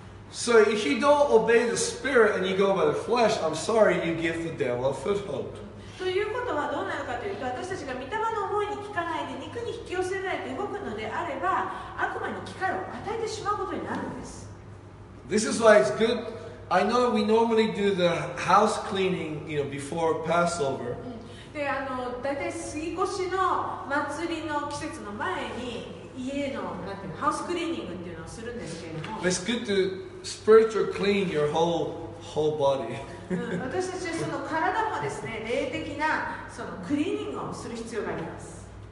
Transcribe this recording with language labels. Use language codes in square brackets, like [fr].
[en] So if you don't obey the Spirit and you go by the flesh, I'm sorry, you give the devil a foothold. [ja] ということはどうなるかというと、私たちが御霊の思いに聞かないで肉に引き寄せられて動くのであれば、悪魔に機会を与えてしまうことになるんです。 [en] This is why it's good. I know we normally do the house cleaning, you know, before Passover. [ja] で、あの、だいたい杉越の祭りの季節の前に家のなんていうハウスクリーニングっていうのをするんですけれども。 [en] It's good to spiritual clean your whole body. [ja] 私たちその体もですね、霊的なそのクリーニングをする必要があります。